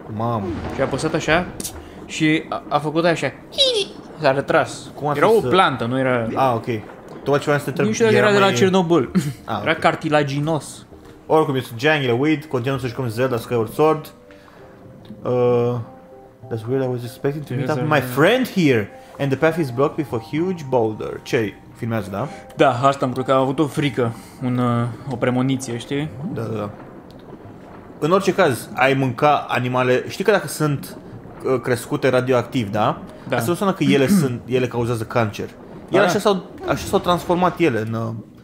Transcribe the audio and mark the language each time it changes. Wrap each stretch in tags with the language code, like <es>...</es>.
<ro>Mamă. Și a apăsat așa și a făcut așa, s-a retras. Cum era să... o plantă, nu era... Ah, ok. Tocmai ce vreau să te întreb, nu știu dacă era de la Chernobyl. Era cartilaginos. Oricum, eu sunt Jangle Weed, continuăm să jucăm Zelda Skyward Sword.</ro> <en>That's weird, I was expecting to meet up with my friend here. And the path is blocked with a huge boulder.</en> <ro>Ce, filmează, da? Da, asta am crezut că a avut o frică, o premoniție, știi? Da, da, da. În orice caz, ai mânca animale, știi că dacă sunt crescute radioactiv, da? Da. Asta înseamnă că ele sunt, ele cauzează cancer. Iar așa s-au transformat ele în...</ro>